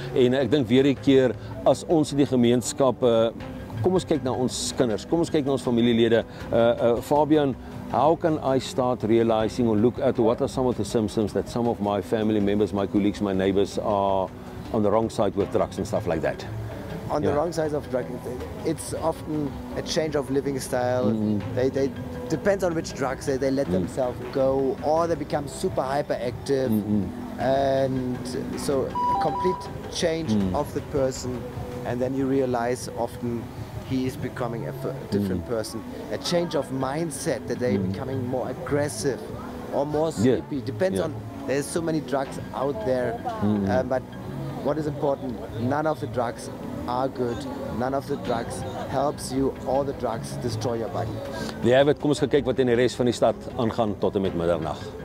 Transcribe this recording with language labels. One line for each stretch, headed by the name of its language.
Afrikaans: En ek dink weer 'n keer, as ons in die gemeenskap, kom ons kyk na ons kinders, kom ons kyk na ons familielede.
English: Fabian, how can I start realizing or look at what are some of the symptoms that some of my family members, my colleagues, my neighbors are on the wrong side with drugs and stuff like that? On the wrong side of drugs, it's often a change of living style. They depends on which drugs they let themselves go, or they become super hyperactive, and so a complete change of the person, and then you realize often he is becoming a different person. A change of mindset, that they becoming more aggressive or more sleepy. Depends on, there's so many drugs out there, but what is important, none of the drugs are good. None of the drugs helps you. All the drugs destroy your body. They have it.
Afrikaans: Kom ons gaan kyk wat in die res van die stad aangaan tot en met middernag.